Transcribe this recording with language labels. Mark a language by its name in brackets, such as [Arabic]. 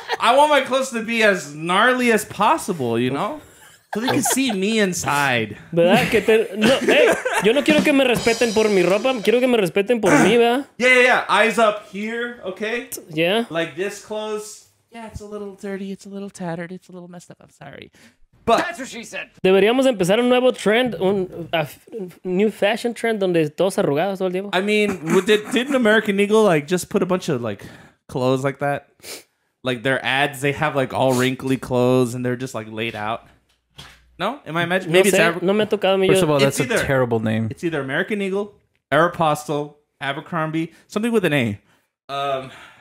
[English] I want my clothes to be as gnarly as possible, you know? So they can see me inside. [Spanish] ¿Verdad? Que te... no, hey, yo no quiero que me respeten por mi ropa. Quiero que me respeten por mí, ¿verdad? [English] Yeah. Eyes up here, okay? Yeah. Like this close. Yeah, it's a little dirty. It's a little tattered. It's a little messed up. I'm sorry. But that's what she said. [Spanish] Deberíamos empezar un nuevo trend, [English] new fashion trend [Spanish] donde todos arrugados todo el tiempo. [English] I mean, didn't American Eagle like just put a bunch of like clothes like that? Like their ads, they have like all wrinkly clothes and they're just like laid out. No? Am I imagining? [Spanish] Maybe no me ha tocado a mí. [English] First of all, that's a terrible name. It's either American Eagle, Aeropostale, Abercrombie, something with an A.